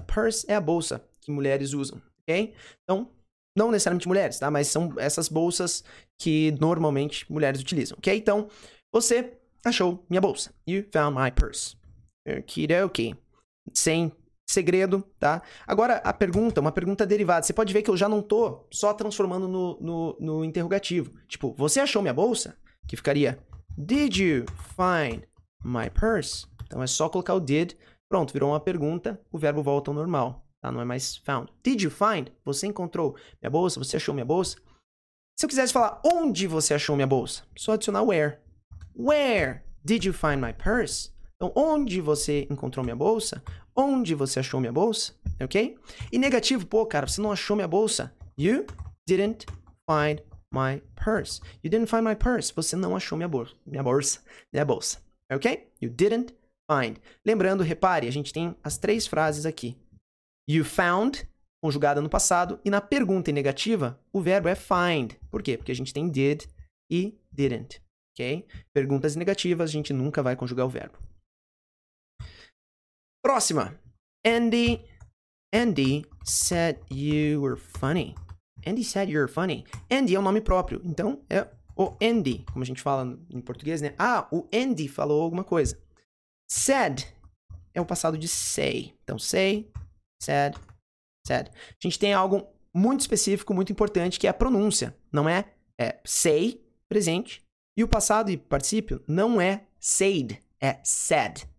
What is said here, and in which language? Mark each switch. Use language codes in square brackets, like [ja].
[pt] Purse é a bolsa que mulheres usam, ok? Então, não necessariamente mulheres, tá? Mas são essas bolsas que normalmente mulheres utilizam, ok? Então, você achou minha bolsa. [en] You found my purse. [pt] Okidoki. Sem segredo, tá? Agora, a pergunta, uma pergunta derivada. Você pode ver que eu já não tô só transformando no interrogativo. Tipo, você achou minha bolsa? Que ficaria, [en] did you find my purse? [pt] Então, é só colocar o did. Pronto, virou uma pergunta. O verbo volta ao normal, tá? Não é mais found. Did you find? Você encontrou minha bolsa? Você achou minha bolsa? Se eu quisesse falar onde você achou minha bolsa, só adicionar where. [en] Where did you find my purse? [pt] Então, onde você encontrou minha bolsa? Onde você achou minha bolsa? Ok? E negativo, pô, cara, você não achou minha bolsa. [en] You didn't find my purse. You didn't find my purse. [pt] Você não achou minha bolsa. Ok? [en] You didn't find. [pt] Lembrando, repare, a gente tem as três frases aqui. [en] You found, [pt] conjugada no passado, e na pergunta em negativa, o verbo é find. Por quê? Porque a gente tem did e didn't, ok? Perguntas negativas, a gente nunca vai conjugar o verbo. [en] Próxima. Andy said you were funny. Andy said you're funny. [pt] Andy é o nome próprio, então é o Andy, como a gente fala em português, né? Ah, o Andy falou alguma coisa. Said é o passado de say. Então, say, said. Said. A gente tem algo muito específico, muito importante, que é a pronúncia. Não é, é say, presente, e o passado e particípio não é said, é said.